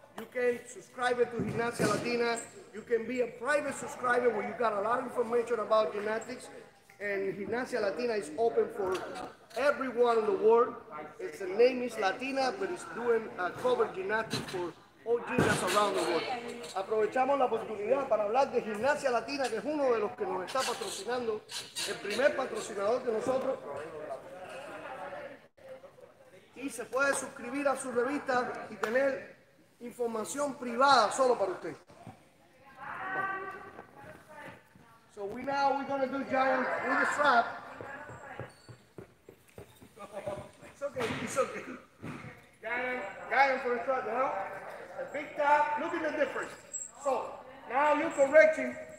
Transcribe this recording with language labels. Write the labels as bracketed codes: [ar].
[en] You can subscribe to Yinastic Latina. You can be a private subscriber where you got a lot of information about gymnastics. And Yinastic Latina is open for everyone in the world. Its name is Latina, but it's doing a cover gymnastics for all gymnasts around the world. [es] Aprovechamos la oportunidad para hablar de Yinastic Latina, que es uno de los que nos está patrocinando, el primer patrocinador de nosotros. Y se puede suscribir a su revista y tener información privada solo para usted. [en] So we now we're gonna do giant with the strap. It's okay, it's okay. Giant for the strap now. The big tap, look at the difference. So now you're correcting.